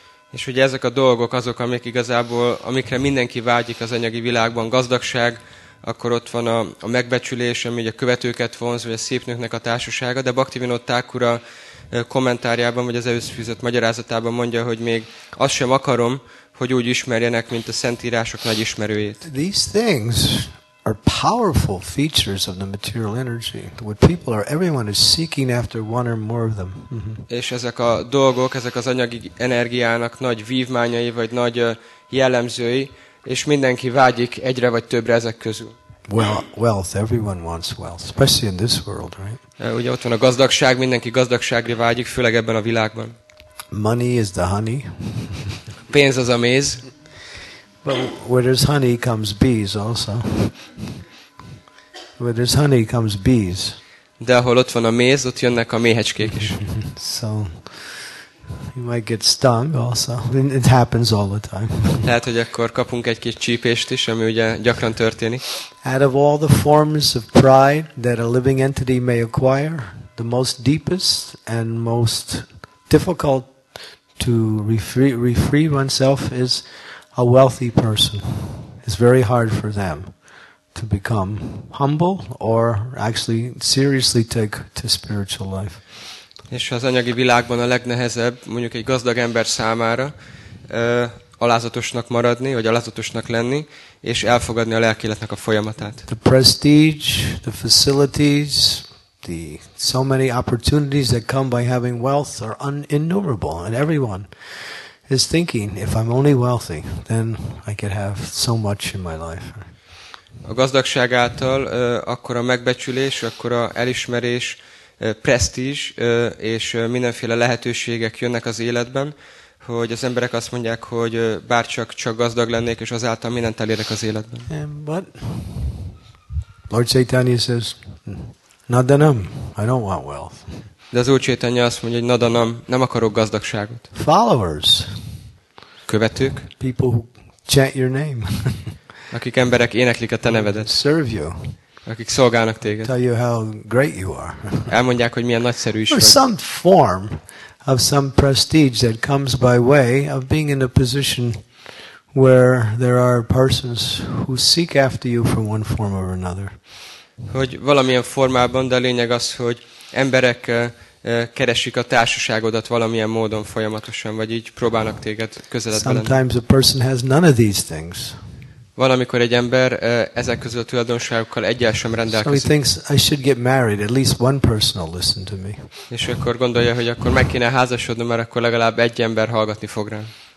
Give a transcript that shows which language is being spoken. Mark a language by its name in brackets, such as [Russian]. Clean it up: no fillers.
[Hungarian] És ugye ezek a dolgok azok, amik igazából, amikre mindenki vágyik az anyagi világban, gazdagság, akkor ott van a megbecsülés, ami ugye a követőket vonz, vagy a szép nőknek a társasága, de Bhaktivinoda Thakur a kommentárjában, vagy az előfűzött magyarázatában mondja, hogy még azt sem akarom, hogy úgy ismerjenek, mint a szentírások nagy ismerőjét. [English] These things are powerful features of the material energy. What people are, everyone is seeking after one or more of them. [Hungarian] És ezek a dolgok, ezek az anyagi energiának nagy vívmányai vagy nagy jellemzői, és mindenki vágyik egyre vagy többre ezek közül. [English] Well, wealth, everyone wants wealth, especially in this world, right? [Hungarian] Ugye ott van a gazdagság, mindenki gazdagságra vágyik, főleg ebben a világban. [English] Money is the honey. [Hungarian] Pénz az a méz. [English] But where there's honey comes bees also. Where there's honey comes bees. [Hungarian] De ahol ott van a méz, ott jönnek a méhecskék is. [English] So you might get stung also. It happens all the time. [Hungarian] Lehet, hogy akkor kapunk egy kis csípést is, ami ugye gyakran történik. [English] Out of all the forms of pride that a living entity may acquire, the most deepest and most difficult to refree oneself is a wealthy person. It's very hard for them to become humble or actually seriously take to spiritual life. [Hungarian] És az anyagi világban a legnehezebb, mondjuk egy gazdag ember számára, alázatosnak maradni, vagy alázatosnak lenni, és elfogadni a lelki életnek a folyamatát. [English] The prestige, the facilities, the so many opportunities that come by having wealth are innumerable, and everyone is thinking, if I'm only wealthy, then I could have so much in my life. [Hungarian] A gazdagság által akkor a megbecsülés, akkor a elismerés, presztízs és mindenféle lehetőségek jönnek az életben, hogy az emberek azt mondják, hogy bárcsak gazdag lennék, és azáltal mindent elérek az életben. [English] But Lord Caitanya says, nadanam, I don't want wealth. [Hungarian] De az Úr Caitanya azt mondja, hogy nadanam, nem akarok gazdagságot. [English] Followers. [Hungarian] Követők. [English] People who chant your name. [Hungarian] Akik emberek éneklik a te nevedet. [English] Serve you. [Hungarian] Akik szolgálnak téged. [English] Tell you how great you are. [Hungarian] Elmondják, hogy milyen nagyszerű is vagy. [English] Some form of some prestige that comes by way of being in a position where there are persons who seek after you from one form or another. [Hungarian] Hogy valamilyen formában, de a lényeg az, hogy emberek keresik a társaságodat valamilyen módon folyamatosan, vagy így próbálnak téged közeledben. [English] Sometimes a person has none of these things. [Hungarian] Valamikor egy ember ezek közül a tulajdonságokkal egyel sem rendelkezik. [English] So he thinks I should get married, at least one person will listen to me. [Hungarian] És akkor gondolja, hogy akkor meg kéne házasodni, mert akkor legalább egy ember hallgatni fog rám.